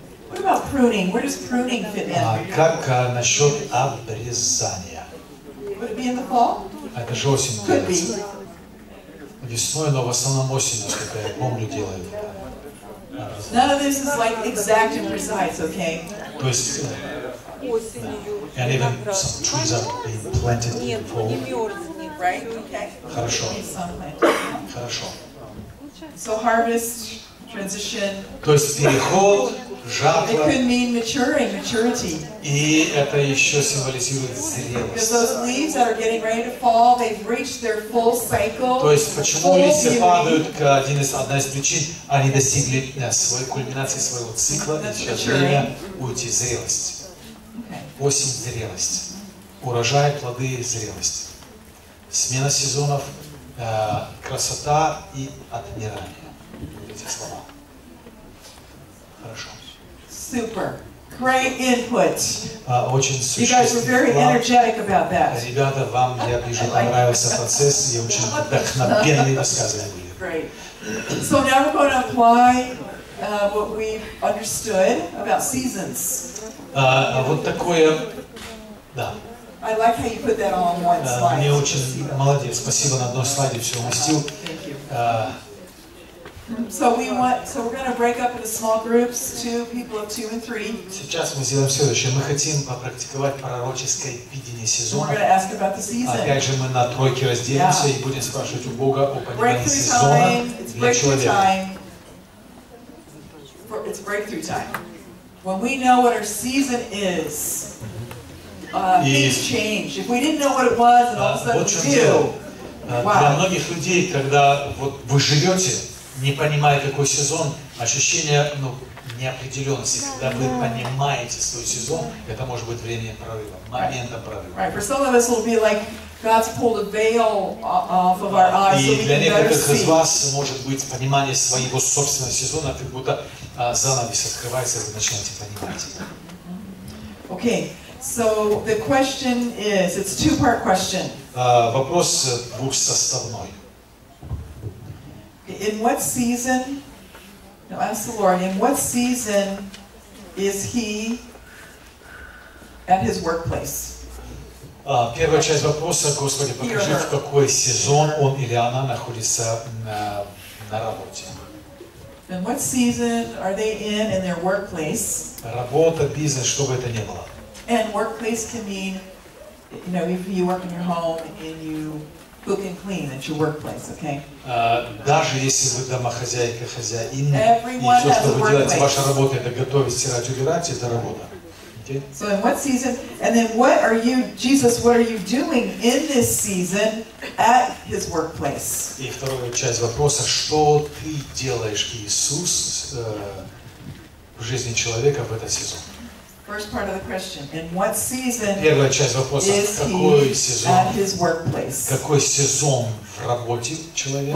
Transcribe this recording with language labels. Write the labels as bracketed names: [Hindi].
[English] What about pruning? Where does pruning fit in? [Russian] Как насчет обрезания? [English] Would it be in the fall? [Russian] Это же осень. [English] Could be. [Russian] Весной, но в основном осенью, сколько я помню, делают. [English] None of this is like exact and precise, okay? [Russian] То есть, [English] and even some trees are being planted in the fall. [Russian] Хорошо. Хорошо. [English] So harvest, transition. [Russian] То есть переход, жатва. [English] It could mean maturing, maturity. [Russian] И это еще символизирует зрелость. [English] Because those leaves that are getting ready to fall, they've reached their full cycle. [Russian] То есть почему листья падают, одна из причин, они достигли своей кульминации, своего цикла, и сейчас время уйти в зрелость. Осень – зрелость. Урожай, плоды – зрелость. Смена сезонов, красота и отмирание. Эти слова. Хорошо. Супер. [English] Great input. [Russian] Очень существенно. Ребята, вам, я вижу, понравился процесс, и очень вдохновенные рассказы были. [English] Great. So now we're going to apply what we understood about seasons. [Russian] Вот такое, да. [English] I like how you put that all on one slide. [Russian] Мне очень, молодец, спасибо, на одной слайде все уместил. [English] So we're going to break up into small groups, two people of two and three. [Russian] Сейчас мы сделаем следующее. Мы хотим попрактиковать пророческое видение сезона. [English] We're going to ask about the season. [Russian] Опять же, мы на тройки разделимся и будем спрашивать у Бога о понимании сезона [English] time. [Russian] Для человека. [English] It's breakthrough time. When we know what our season is, things change. If we didn't know what it was, and all of a sudden [Russian] вот [English] we do. [Russian] Для многих людей, когда вот вы живете, не понимая, какой сезон, ощущение неопределенности. Когда вы понимаете свой сезон, это может быть время прорыва, момента прорыва. [English] Right. For some of us, it'll be like God's pulled a veil off of our eyes, so we can better see. [Russian] И для некоторых из вас, может быть, понимание своего собственного сезона, как будто занавес открывается, и вы начинаете понимать. [English] Okay. So the question is, it's a two-part question. [Russian] Вопрос двухсоставной. [English] In what season? No, ask the Lord. In what season is He at His workplace? [Russian] Первая часть вопроса, Господи, покажи, в какой сезон он или она находится на работе. [English] In what season are they in their workplace? [Russian] Работа, бизнес, что бы это ни было. [English] And workplace can mean, you know, if you work in your home and you. Cook and clean at your workplace, okay? [Russian] Даже если вы домохозяйка, хозяин, [English] Everyone [Russian] и все, что вы делаете, [English] workplace. [Russian] Ваша работа, это готовить, стирать, убирать, это работа. [English] Okay? So in what season? And then what are you, Jesus, what are you doing in this season at His workplace? [Russian] И вторая часть вопроса, что ты делаешь, Иисус, в жизни человека в этот сезон? [English] First part of the question. In what season [Russian] Первая часть вопроса. [English] Is [Russian] какой [English] he [Russian] сезон? [English] At his workplace? [Russian] Какой сезон в работе человека?